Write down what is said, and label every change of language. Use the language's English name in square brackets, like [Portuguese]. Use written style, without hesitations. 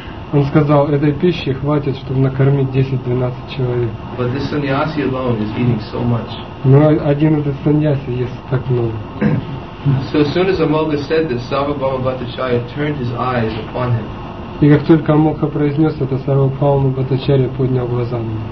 [Russian] он сказал, этой пищи хватит, чтобы накормить 10-12 человек. [English] But this sannyasi alone is eating so much. [Russian] Но один этот саньяси ест так много. [English] So as soon as Amoga said this, Sarvabhauma Bhattacharya turned his eyes upon him. [Russian] И как только Амока произнес это, Сарвабхауму Бхаттачарья поднял глаза на него.